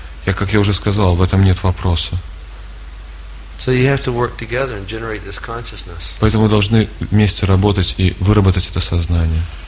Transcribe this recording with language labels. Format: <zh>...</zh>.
<ru>Я, как я уже сказал, в этом нет вопроса.</ru> <en>So you have to work together and generate this consciousness.</en> <ru>Поэтому вы должны вместе работать и выработать это сознание.</ru>